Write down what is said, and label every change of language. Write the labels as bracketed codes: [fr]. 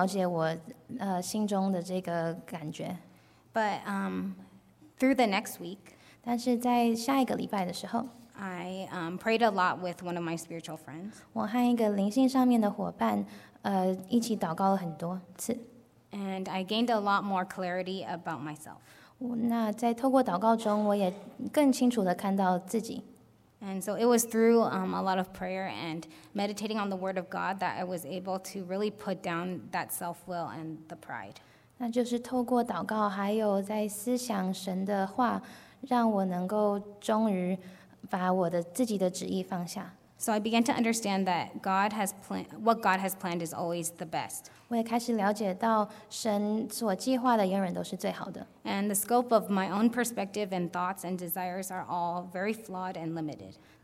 [zh] 我也觉得说神并不了解我心中的这个感觉。 [en] But through the next week, [zh] 但是在下一个礼拜的时候, [en] I prayed a lot with one of my spiritual friends. [zh] 我和一个灵性上面的伙伴一起祷告了很多次。 [en] And I gained a lot more clarity about myself. [zh] 那在透过祷告中，我也更清楚地看到自己。 [en] And so it was through a lot of prayer and meditating on the word of God that I was able to really put down that self-will and the pride. [zh] 那就是透过祷告，还有在思想神的话， 让我能够终于把我的自己的旨意放下。 [en] So I began to understand that God has what God has planned is always the best. [zh] 我也开始了解到神所计划的永远都是最好的。 [en] And the scope of my own perspective and thoughts and desires are all very flawed and limited.